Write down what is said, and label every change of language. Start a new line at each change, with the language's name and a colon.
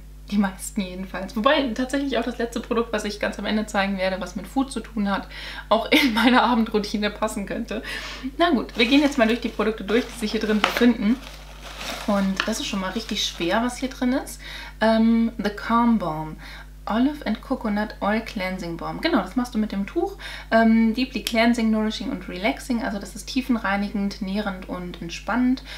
German: Die meisten jedenfalls. Wobei tatsächlich auch das letzte Produkt, was ich ganz am Ende zeigen werde, was mit Food zu tun hat, auch in meine Abendroutine passen könnte. Na gut, wir gehen jetzt mal durch die Produkte durch, die sich hier drin befinden. Und das ist schon mal richtig schwer, was hier drin ist.
English: The Calm Balm. Olive and Coconut Oil Cleansing Balm.
German: Genau, das machst du mit dem Tuch.
English: Deeply Cleansing,
German: Nourishing und Relaxing. Also das ist tiefenreinigend, nährend und entspannend.